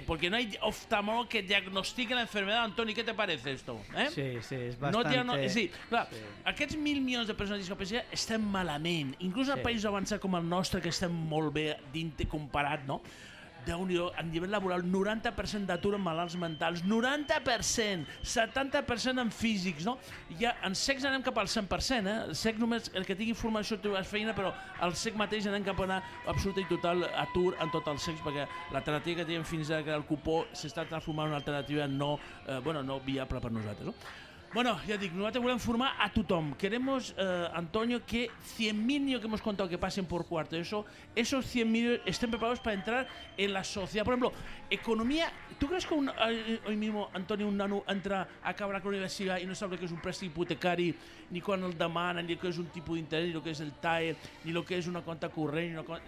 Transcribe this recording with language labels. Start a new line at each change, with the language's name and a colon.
Spanish: "Porque no hay oftalmólogo que diagnostique la enfermedad". Antoni, ¿qué te parece esto? Sí, sí, és bastante.
Catalan: No, sí, clar, sí. Aquests 1000 milions de persones amb discapacitat estem malament, inclús en països avançats com el nostre, que estem molt bé dintre comparat, no? Déu-n'hi-do, a nivell laboral, 90% d'atur en malalts mentals, 90%, 70% en físics, no? Ja en secs anem cap al 100%, eh? El sec només, el que tingui formació trobaràs feina, però el sec mateix anem cap a una absoluta i total atur en tot el secs, perquè l'alternativa que teníem fins ara, que era el cupó, s'està transformant en una alternativa no, bueno, no viable per nosaltres, no? Bueno, ja dic, nosaltres volem formar a tothom.
Spanish: Queremos, Antonio, que 100.000 niños que hemos contado que pasen por cuarto, eso, esos 100.000 estén preparados para entrar en la sociedad. Por ejemplo, economía, ¿tú crees que un, hoy mismo, Antonio, un nano entra a acabar con la universidad y no sabe lo que es un préstamo hipotecario, ni cuando el demanda, ni lo que es un tipo de interés, ni lo que es el TAE, ni lo que es una cuenta corriente? Una cuenta...